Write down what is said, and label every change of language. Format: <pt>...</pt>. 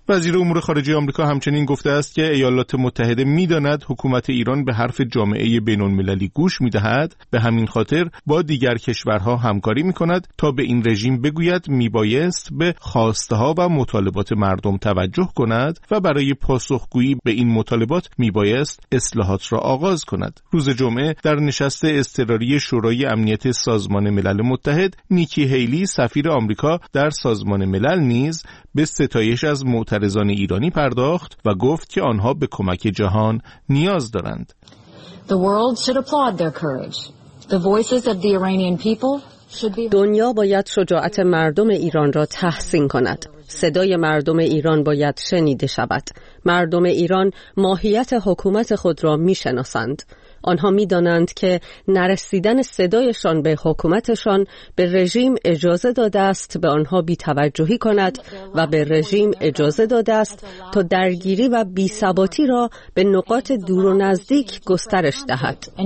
<fa>وزیر امور خارجه آمریکا همچنین گفته است که ایالات متحده می‌داند حکومت ایران به حرف جامعه بین‌المللی گوش می‌دهد، به همین خاطر با دیگر کشورها همکاری می‌کند تا به این رژیم بگوید می‌بایست به خواسته‌ها و مطالبات مردم توجه کند و برای پاسخگویی به این مطالبات می‌بایست اصلاحات را آغاز کند. روز جمعه در نشست اضطراری شورای امنیت سازمان ملل متحد، نیکی هیلی سفیر آمریکا در سازمان ملل نیز به ستایش از معترضان ایرانی پرداخت و گفت که آنها به کمک جهان نیاز دارند.</fa> <en>The world should applaud their courage. The voices of the Iranian people should be.</en> <fa>دنیا باید شجاعت مردم ایران را تحسین کند. صدای مردم ایران باید شنیده شود. مردم ایران ماهیت حکومت خود را می‌شناسند. آنها می‌دانند که نرسیدن صدایشان به حکومتشان به رژیم اجازه داده است به آنها بی‌توجهی کند و به رژیم اجازه داده است تا درگیری و بی‌ثباتی را به نقاط دور و نزدیک گسترش دهد.</fa>